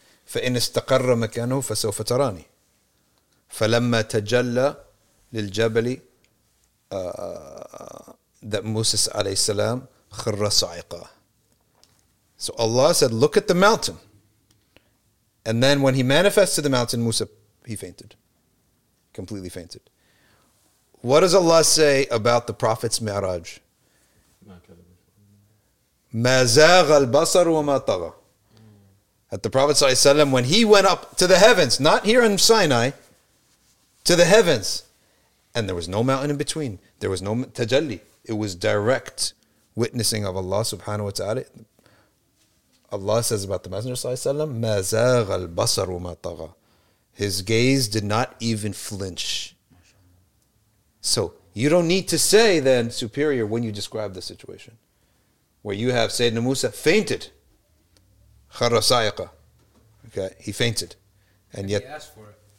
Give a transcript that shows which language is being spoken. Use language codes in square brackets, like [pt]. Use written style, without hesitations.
[ar] فَإِنْ اسْتَقَرَّ مَكَانُهُ فَسَوْفَ تَرَانِي فَلَمَّا تَجَلَّ لِلْجَبَلِ [en] that Moses alayhi salam [ar] خَرَّ صَعِقَ. [en] So Allah said, look at the mountain. And then when he manifested the mountain, Musa, he fainted. Completely fainted. What does Allah say about the Prophet's Mi'raj? [ar] مَا زَاغَ الْبَصَرُ وَمَا طَغَى. [en] At the Prophet ﷺ, when he went up to the heavens, not here in Sinai, to the heavens, and there was no mountain in between. There was no tajalli. It was direct witnessing of Allah subhanahu wa ta'ala. Allah says about the Messenger ﷺ, [ar] مَا زَاغَ الْبَصَرُ وَمَا طَغَى. [en] His gaze did not even flinch. So you don't need to say then superior when you describe the situation where you have Sayyidina Musa fainted. [ar] خَرَّ صَعِقَ. [en] Okay, he fainted. And yet, he asked for it.